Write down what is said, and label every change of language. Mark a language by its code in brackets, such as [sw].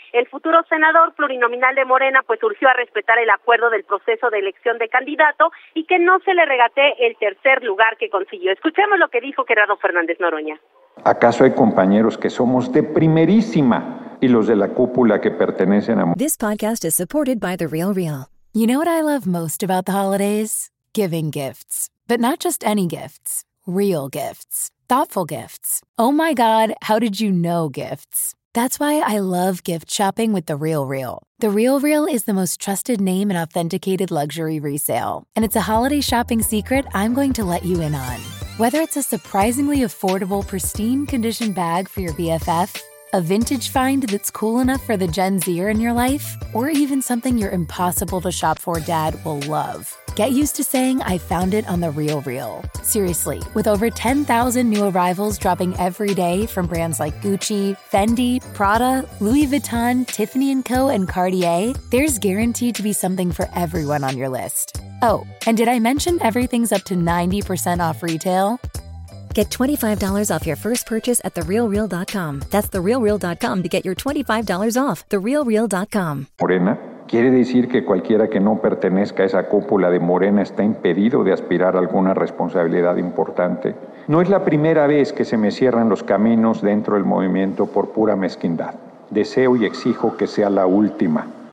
[es] El futuro senador plurinominal de Morena pues urgió a respetar el acuerdo del proceso de elección de candidato y que no se le regatee el tercer lugar que consiguió. Escuchemos lo que dijo Gerardo Fernández Noroña. ¿Acaso hay compañeros que somos de primerísima y los de la cúpula que pertenecen a... [en] This podcast is supported by The Real Real. You know what I love most about the holidays? Giving gifts. But not just any gifts. Real gifts. Thoughtful gifts. Oh my God, how did you know gifts? That's why I love gift shopping with The Real Real. The Real Real is the most trusted name in authenticated luxury resale. And it's a holiday shopping secret I'm going to let you in on. Whether it's a surprisingly affordable, pristine condition bag for your BFF, a vintage find that's cool enough for the Gen Zer in your life, or even something your impossible to shop for dad will love. Get used to saying, I found it on The Real Real. Seriously, with over 10,000 new arrivals dropping every day from brands like Gucci, Fendi, Prada, Louis Vuitton, Tiffany & Co., and Cartier, there's guaranteed to be something for everyone on your list. Oh, and did I mention everything's up to 90% off retail? Get $25 off your first purchase at TheRealReal.com. That's TheRealReal.com to get your $25 off. TheRealReal.com. [es] Morena, ¿quiere decir que cualquiera que no pertenezca a esa cúpula de Morena está impedido de aspirar a alguna responsabilidad importante? No es la primera vez que se me cierran los caminos dentro del movimiento por pura mezquindad. Deseo y exijo que sea la última.